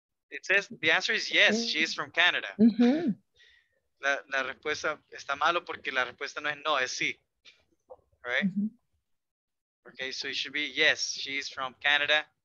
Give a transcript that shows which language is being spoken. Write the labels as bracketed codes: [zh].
[en] It says, the answer is yes, she is from Canada. Mm-hmm. [es] La respuesta está malo porque la respuesta no es no, es sí. [en] All right? Mm-hmm. Okay, so it should be yes, she is from Canada.